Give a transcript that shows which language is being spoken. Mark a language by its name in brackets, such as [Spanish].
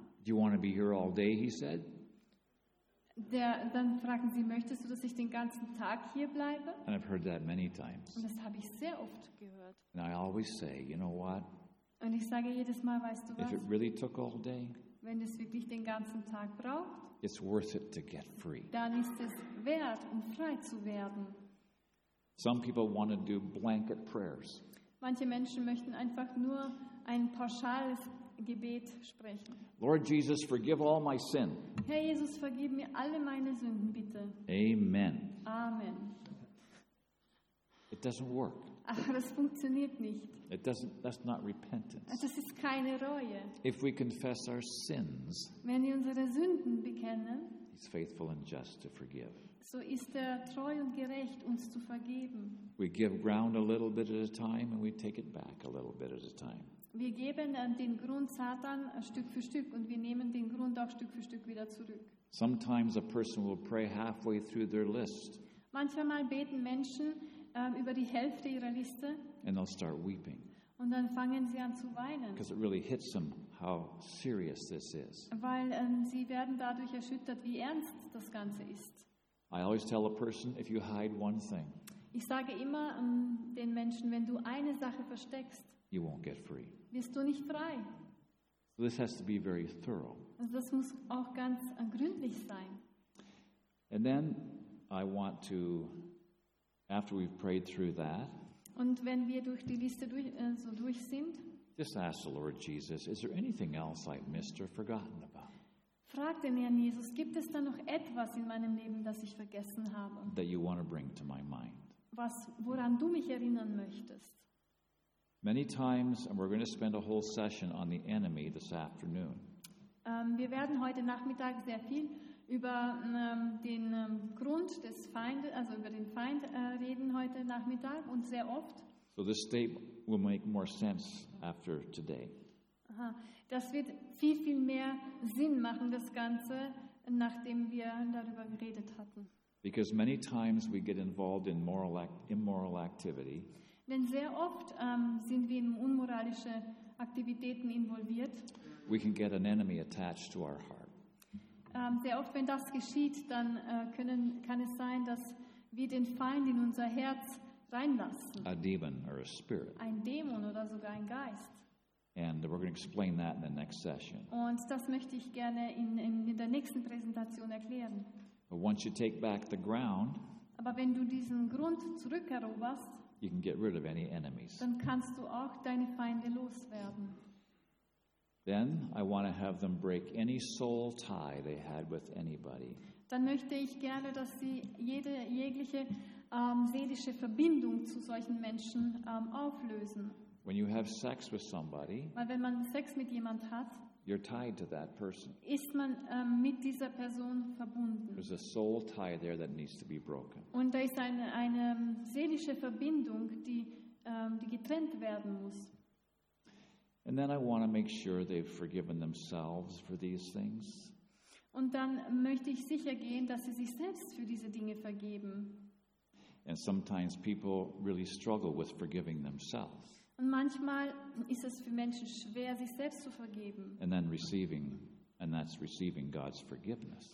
[English] Do you want to be here all day, he said. [German] Dann fragen sie, möchtest du, dass ich den ganzen Tag hier bleibe? [English] And I've heard that many times. [German] Und das habe ich sehr oft gehört. [English] And I always say, you know what? [German] Und ich sage jedes Mal, weißt du was? [English] If it really took all day, [German] wenn es wirklich den ganzen Tag braucht, [English] it's worth it to get free. [German] Dann ist es wert, frei zu werden. [English] Some people want to do blanket prayers. [German] Manche Menschen möchten einfach nur ein pauschales Gebet sprechen. [English] Lord Jesus, forgive all my sin. [German] Herr Jesus, vergib mir alle meine Sünden, bitte. [English] Amen. [German] Amen. [English] It doesn't work. [German] Aber das funktioniert nicht. [English] It doesn't, that's not repentance. [German] Das ist keine Reue. [English] If we confess our sins, [German] wenn wir unsere Sünden bekennen, [English] he's faithful and just to forgive. [German] So ist er treu und gerecht, uns zu vergeben. [English] We give ground a little bit at a time and we take it back a little bit at a time. [German] Wir geben den Grund Satan Stück für Stück und wir nehmen den Grund auch Stück für Stück wieder zurück. [English] Sometimes a person will pray halfway through their list. [German] Manchmal beten Menschen über die Hälfte ihrer Liste. [English] And they'll start weeping. [German] Und dann fangen sie an zu weinen. [English] Because it really hits them how serious this is. [German] Weil sie werden dadurch erschüttert, wie ernst das Ganze ist. [English] I always tell a person, if you hide one thing, [German] ich sage immer den Menschen, wenn du eine Sache versteckst, [English] you won't get free. [German] Wirst du nicht frei. [English] So this has to be very thorough. [German] Also das muss auch ganz gründlich sein. [English] And then I want to, after we've prayed through that, [German] und wenn wir durch die Liste so durch sind, [English] just ask the Lord Jesus, is there anything else I've missed or forgotten about? [German] Frag den Herrn Jesus, gibt es da noch etwas in meinem Leben, das ich vergessen habe? [English] That you want to bring to my mind. [German] Woran du mich erinnern möchtest. [English] Many times, and we're going to spend a whole session on the enemy this afternoon. [German] Wir werden heute Nachmittag sehr viel über den Grund des Feindes, also über den Feind reden heute Nachmittag und sehr oft. [English] So this statement will make more sense after today. Aha. [German] Das wird viel, viel mehr Sinn machen, das Ganze, nachdem wir darüber geredet hatten. [English] Because many times we get involved in moral immoral activity. [German] Denn sehr oft sind wir in unmoralische Aktivitäten involviert. [English] we can get an enemy attached to our heart. [German] Sehr oft, wenn das geschieht, dann kann es sein, dass wir den Feind in unser Herz reinlassen. [English] A demon or a spirit. [German] Ein Dämon oder sogar ein Geist. [English] And we're going to explain that in the next session. [German] Und das möchte ich gerne in der nächsten Präsentation erklären. [English] But once you take back the ground, [German] aber wenn du diesen Grund zurückeroberst, [English] you can get rid of any enemies. [German] Dann kannst du auch deine Feinde loswerden. [English] Then I want to have them break any soul tie they had with anybody. [German] Dann möchte ich gerne, dass sie jegliche seelische Verbindung zu solchen Menschen auflösen. [English] When you have sex with somebody, [German] weil wenn man Sex mit jemand hat, [English] you're tied to that person. [German] Ist man mit dieser Person verbunden. [English] There's a soul tie there that needs to be broken. [German] Und da ist eine seelische Verbindung, die getrennt werden muss. [English] And then I want to make sure they've forgiven themselves for these things. [German] Und dann möchte ich sicher gehen, dass sie sich selbst für diese Dinge vergeben. [English] And sometimes people really struggle with forgiving themselves. [German] Und manchmal ist es für Menschen schwer, sich selbst zu vergeben. [English] And then receiving, and that's receiving God's forgiveness.